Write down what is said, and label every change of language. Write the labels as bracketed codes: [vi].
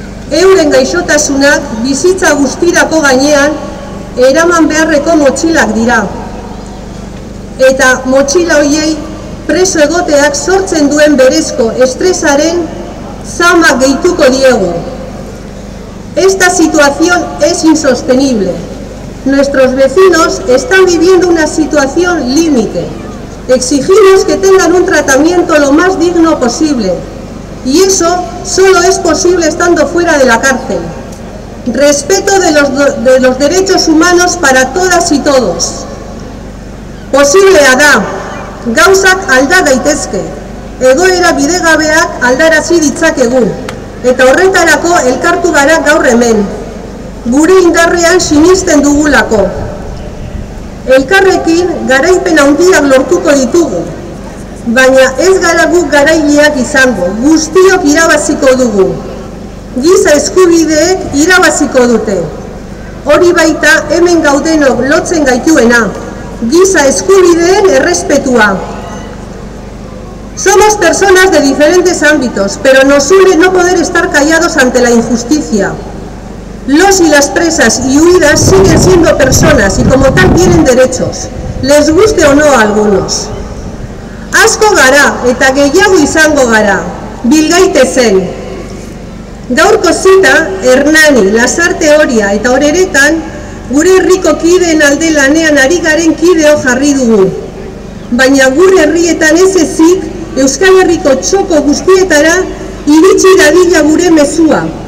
[eu] Euren gaixotasunak bizitza guztirako gainean eraman beharreko motxilak dira. Eta motxila horiei preso egoteak sortzen duen berezko estresaren zama gehituko diegu. [es] Esta situación es insostenible. Nuestros vecinos están viviendo una situación límite. Exigimos que tengan un tratamiento lo más digno posible. Y eso solo es posible estando fuera de la cárcel. Respeto de los derechos humanos para todas y todos. [eu] Posiblea da, gauzak alda daitezke. Egoera bidegabeak aldarazi ditzakegu. Eta horretarako elkartu gara gaur hemen. Gure indarrean sinisten dugulako. Elkarrekin garaipen handiak lortuko ditugu, baina ez gara guk garaileak izango, guztiok irabaziko dugu. Giza eskubideek irabaziko dute. Hori baita hemen gaudenok lotzen gaituena, giza eskubideen errespetua. [es] Somos personas de diferentes ámbitos, pero nos une no poder estar callados ante la injusticia. Los y las presas y huidas siguen siendo personas y como tal tienen derechos, les guste o no a algunos. [eu] Asko gara eta gehiago izango gara, bilgaite zen. Gaurko zita, Hernani, Lasarte Oria eta Oreretan, gure herriko kideen alde lanean ari garen kideo jarri dugu. Baina gure herrietan ez ezik, Euskal Herriko txoko guztietara iritsi dadila gure mezua.